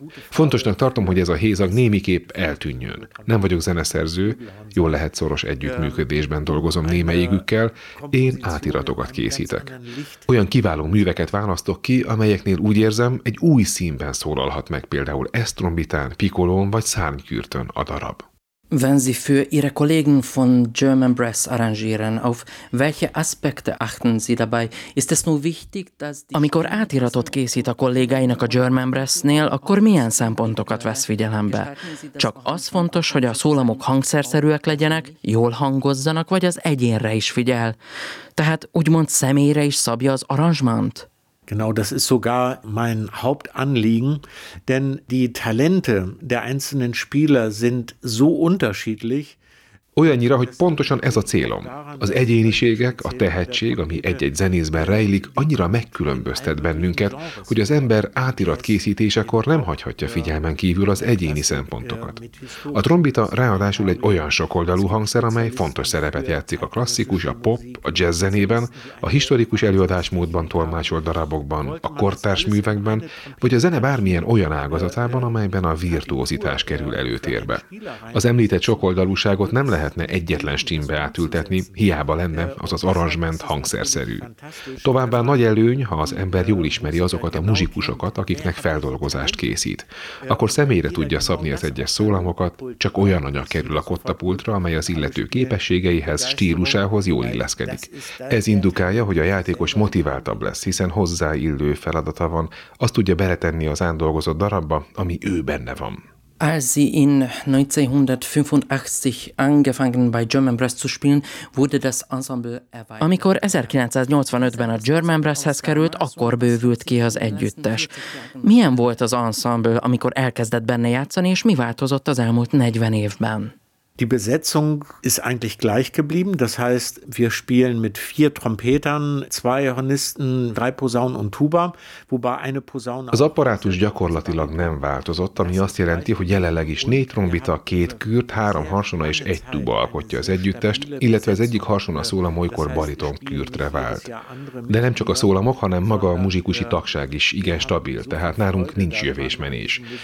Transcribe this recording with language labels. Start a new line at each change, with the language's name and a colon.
Hungarian: Fontosnak tartom, hogy ez a hézag némiképp eltűnjön. Nem vagyok zeneszerző, jól lehet szoros együttműködésben dolgozom némelyikükkel, én átiratokat készítek. Olyan kiváló műveket választok ki, amelyeknél úgy érzem, egy új színben szól. Szólalhat meg például esztrombitán, pikolón vagy szárnykürtön a darab.
German: Wenn Sie für Ihre Kollegen von German Brass arrangieren, auf welche Aspekte achten Sie dabei? Ist es nur wichtig, dass die...
Hungarian: Amikor átiratot készít a kollégáinak a German Brass-nél, akkor milyen szempontokat vesz figyelembe? Csak az fontos, hogy a szólamok hangszerszerűek legyenek, jól hangozzanak, vagy az egyénre is figyel. Tehát úgymond személyre is szabja az arrangement?
German: Genau, das ist sogar mein Hauptanliegen, denn die Talente der einzelnen Spieler sind so unterschiedlich.
Hungarian: Olyannyira, hogy pontosan ez a célom. Az egyéniségek, a tehetség, ami egy-egy zenészben rejlik, annyira megkülönböztet bennünket, hogy az ember átirat készítésekor nem hagyhatja figyelmen kívül az egyéni szempontokat. A trombita ráadásul egy olyan sokoldalú hangszer, amely fontos szerepet játszik a klasszikus, a pop, a jazz zenében, a historikus előadásmódban tolmácsolt darabokban, a kortárs művekben, vagy a zene bármilyen olyan ágazatában, amelyben a virtuózitás kerül előtérbe. Az említett sokoldalúságot nem lehetne egyetlen stimbe átültetni, hiába lenne az az arrangement hangszerszerű. Továbbá nagy előny, ha az ember jól ismeri azokat a muzsikusokat, akiknek feldolgozást készít. Akkor személyre tudja szabni az egyes szólamokat, csak olyan anyag kerül a kottapultra, amely az illető képességeihez, stílusához jól illeszkedik. Ez indukálja, hogy a játékos motiváltabb lesz, hiszen hozzáillő feladata van, azt tudja beletenni az ándolgozott darabba, ami ő benne van.
German: Als sie in 1985 angefangen bei German Brass zu spielen, wurde das Ensemble erweitert.
Hungarian: Amikor 1985-ben a German Brasshez került, akkor bővült ki az együttes. Milyen volt az ensemble, amikor elkezdett benne játszani, és mi változott az elmúlt 40 évben?
German: Die Besetzung ist eigentlich gleich geblieben, das heißt, wir spielen mit 4 Trompetern, 2 Hornisten, 3 Posaunen und Tuba, wobei eine Posaune.
Hungarian: Az apparátus gyakorlatilag nem változott, ami azt jelenti, hogy jelenleg is 4 trombita, 2 kürt, 3 harsona és 1 tuba alkotja az együttest, illetve az egyik harsona szólam olykor bariton kürtre vált. De nem csak a szólamok, hanem maga a muzsikusi tagság is igen stabil, tehát nálunk nincs jövésmenés.